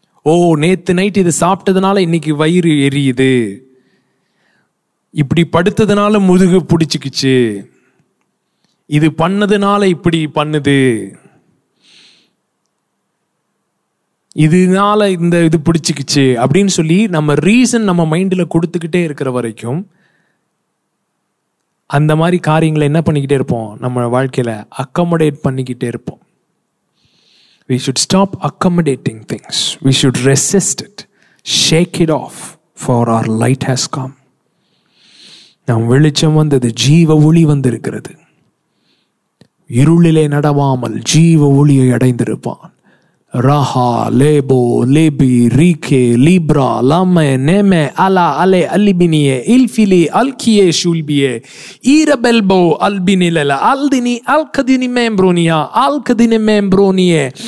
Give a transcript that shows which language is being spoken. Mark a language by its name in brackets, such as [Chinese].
[Tamil] ஓ நேத்து நைட் இது சாப்பிட்டதுனால இன்னைக்கு வயிறு எரியுது, இப்படி படுத்ததுனால முதுகு பிடிச்சிக்குச்சு, இது பண்ணதுனால இப்படி பண்ணுது, இதனால இந்த இது பிடிச்சிக்குச்சு அப்படின்னு சொல்லி நம்ம ரீசன் நம்ம மைண்டில் கொடுத்துக்கிட்டே இருக்கிற வரைக்கும் அந்த மாதிரி காரியங்களை என்ன பண்ணிக்கிட்டே இருப்போம், நம்ம வாழ்க்கையில் அக்கமடேட் பண்ணிக்கிட்டே இருப்போம். [English] We should stop accommodating things. We should resist it. Shake it off, for our light has come. [Tamil] நம் வெளிச்சம் வந்தது, ஜீவ ஒளி வந்திருக்கிறது. இருளிலே நடவாமல் ஜீவ ஒளியை அடைந்திருப்பான். ரஹா லேபோ லேபி ரீகே லீப்ரா லாமே நேமே அலா அலே அல்பினியே இல்ஃபிலி அல்கியே ஷுல்பியே ஈரபெல்போ அல்பினில அல்தினி அல்கதினி மேம்ப்ரோனியா அல்கதினி மேம்ப்ரோனியே